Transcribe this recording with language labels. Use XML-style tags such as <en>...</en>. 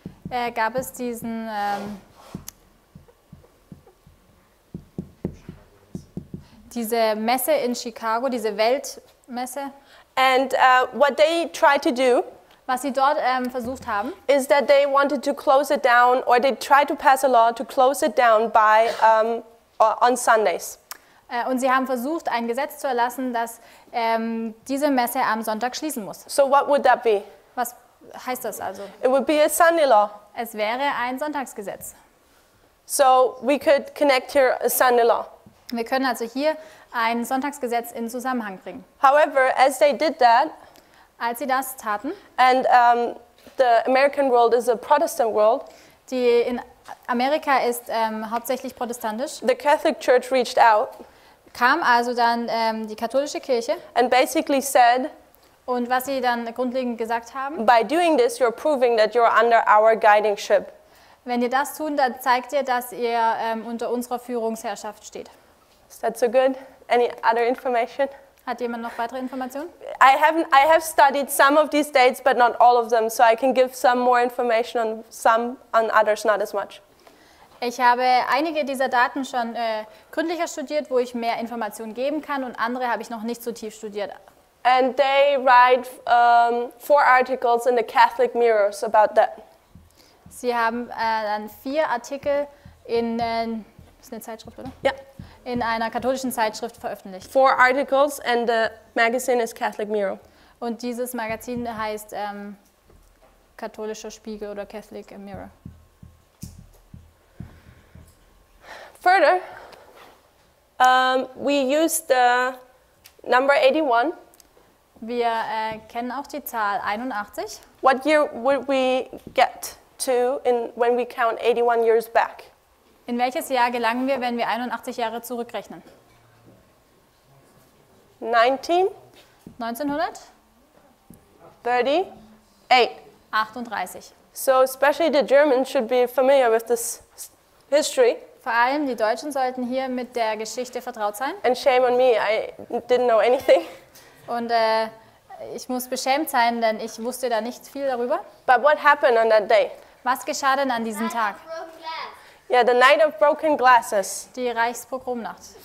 <de>Gab es diesen diese Messe in Chicago, diese Weltmesse?</de> <en>And what they tried to do.</en> <de>Was sie dort versucht haben,</de> <en>is that they wanted to close it down, or they tried to pass a law to close it down by on Sundays.</en> <de>Und sie haben versucht, ein Gesetz zu erlassen, dass diese Messe am Sonntag schließen muss.</de> <en>So what would that be?</en> <de>Was heißt das also?</de> <en>It would be a Sunday law.</en> <de>Es wäre ein Sonntagsgesetz.</de> <en>So we could connect here a Sunday law.</en> <de>Wir können also hier ein Sonntagsgesetz in Zusammenhang bringen.</de> <en>However, as they did that.</en> <de>Als sie das taten,</de> <en>and the American world is a Protestant world.</en> <de>Die in Amerika ist hauptsächlich protestantisch.</de> <en>The Catholic Church reached out.</en> <de>Kam also dann die katholische Kirche.</de> <en>And basically said.</en> <de>Und was sie dann grundlegend gesagt haben.</de> <en>By doing this, you're proving that you're under our guidingship.</en> <de>Wenn ihr das tun, dann zeigt ihr, dass ihr unter unserer Führungsherrschaft steht.</de> <en>Is that so good? Any other information?</en> <de>Hat jemand noch weitere Informationen?</de> <en>I have studied some of these dates, but not all of them, so I can give some more information on some, on others not as much.</en> <de>Ich habe einige dieser Daten schon gründlicher studiert, wo ich mehr Informationen geben kann, und andere habe ich noch nicht so tief studiert.</de> <en>And they write 4 articles in the Catholic Mirrors about that.</en> <de>Sie haben dann 4 Artikel in ist eine Zeitschrift, oder? Ja.</de> <en>Yeah.</en> <de>In einer katholischen Zeitschrift veröffentlicht.</de> <en>4 articles and the magazine is Catholic Mirror.</en> <de>Und dieses Magazin heißt katholischer Spiegel oder Catholic Mirror.</de> <en>Further, we use the number 81.</en> <de>Wir kennen auch die Zahl 81.</de> <en>What year would we get to in when we count 81 years back?</en> <de>In welches Jahr gelangen wir, wenn wir 81 Jahre zurückrechnen?</de> <en>1938.</en> <de>38.</de> <en>So especially the Germans should be familiar with this history.</en> <de>Vor allem die Deutschen sollten hier mit der Geschichte vertraut sein.</de> <en>And shame on me, I didn't know anything.</en> <de>Und ich muss beschämt sein, denn ich wusste da nicht viel darüber.</de> <en>But what happened on that day?</en> <de>Was geschah denn an diesem Tag?</de> <en>Yeah, the night of broken glasses.</en> <de>Die Reichspogromnacht.</de>